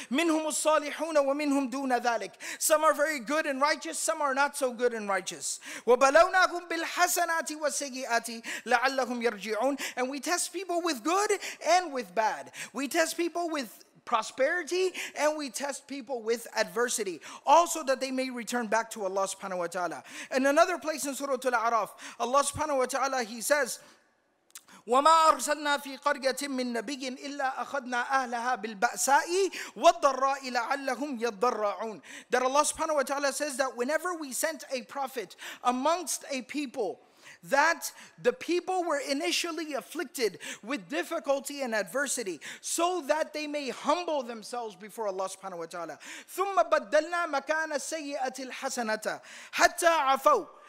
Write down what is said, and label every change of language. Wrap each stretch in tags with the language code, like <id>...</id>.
<ar>Minhum as-salihuna wa minhum duna dhalik.</ar> <en>Some are very good and righteous, some are not so good and righteous.</en> <ar>Wa balawnahum bil hasanati wa sayyiati la'allahum yarji'un.</ar> <en>And we test people with good and with bad. We test people with prosperity and we test people with adversity, also that they may return back to Allah subhanahu wa ta'ala. In another place in Surah Al-A'raf, Allah subhanahu wa ta'ala, He says,</en> <ar>وَمَا أَرْسَلْنَا فِي قَرْيَةٍ مِّن نَبِيٍّ إِلَّا أَخَذْنَا أَهْلَهَا بِالْبَأْسَاءِ وَالضَّرَّاءِ لَعَلَّهُمْ يَضَّرَّعُونَ.</ar> <en>That Allah subhanahu wa ta'ala says that whenever we sent a prophet amongst a people, that the people were initially afflicted with difficulty and adversity so that they may humble themselves before Allah subhanahu wa ta'ala.</en> <ar>ثُمَّ بَدَّلْنَا مَكَانَ السَّيِّئَةِ الْحَسَنَةَ حَتَّى عَفَوْا.</ar>